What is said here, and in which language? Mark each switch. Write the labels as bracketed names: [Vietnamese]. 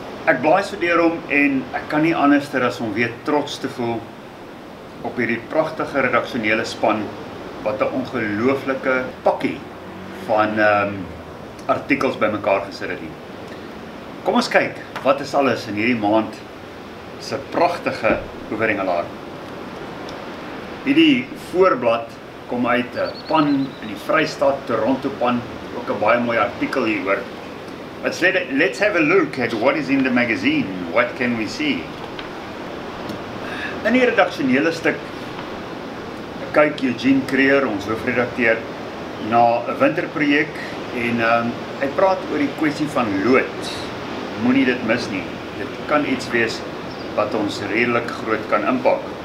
[Afrikaans] Ek blaai so deur hom en ek kan nie anders ter as om weer trots te voel op hierdie pragtige redaksionele span wat 'n ongelooflike pakkie van artikels bymekaar gesit het. Kom ons kyk, wat is alles in hierdie maand se pragtige oeweringelaar. Hierdie voorblad kom uit 'n pan in die Vrystaat, Toronto pan, ook 'n baie mooi artikel hieroor. [English] Let's have a look at what is in the magazine. What can we see? [Afrikaans] In die redaksionele stuk kyk Eugene Kreer, ons hoofredakteur, na 'n winterprojek en hy praat oor die kwessie van lood. Moenie dit mis nie. Dit kan iets wees wat ons redelik groot kan impak.